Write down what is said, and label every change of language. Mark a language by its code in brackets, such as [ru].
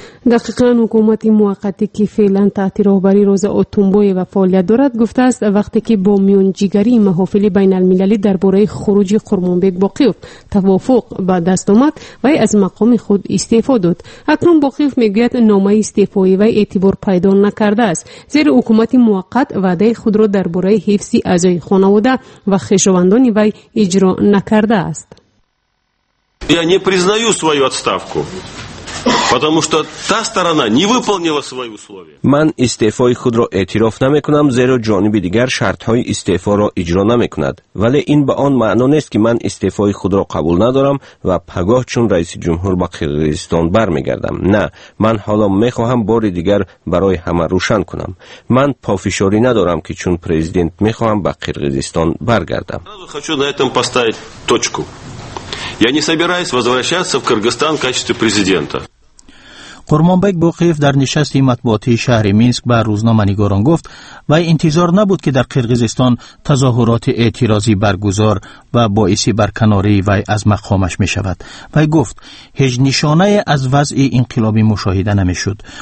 [fa] دقیقاً حکومت موقتی که فعلاً تحت رهبری روز اوتومبوی و فعالیت دارد گفته است وقتی که با میونجیگری محافل بین المللی در باره خروج قرمانبیگ باقیف توافق به دست آمد و از مقام خود استعفا داد. اکنون باقیف میگوید نامه استعفای و اعتبار پیدا نکرده است، زیر حکومت موقت وعده خود را در باره حفظ اعضای خانواده و خویشاوندان وی اجرا نکرده است. [ru] Я не признаю свою отставку. Потому что та сторона не выполнила свои условия. [tg] Ман истефои худро эътироф намекунам, зеро ҷониби дигар шартҳои истефоро иҷро намекунад. Вале ин ба он маъно нест ки ман истефои худро қабул надорам ва пагоҳ чун раиси ҷумҳур ба Қирғизистон бармегардам. На, ман ҳоло мехоҳам бори дигар барои ҳама рӯшан кунам. Ман пофишорӣ надорам ки чун президент мехоҳам ба Қирғизистон баргардам. [ru] Хочу на этом поставить точку. Я не собираюсь возвращаться в Кыргызстан в качестве президента. [tg] Курманбек Бокиев дар нишасти матбуоти шаҳри Минск ба рӯзноманигорон гуфт, вай интизор набуд ки дар Кыргызстон тазоҳурати эътирози баргузор ва боиси барканории вай аз мақомаш мешавад. Вай гуфт, ҳеҷ нишонае аз вазъи инқилоби мушоҳида намешуд.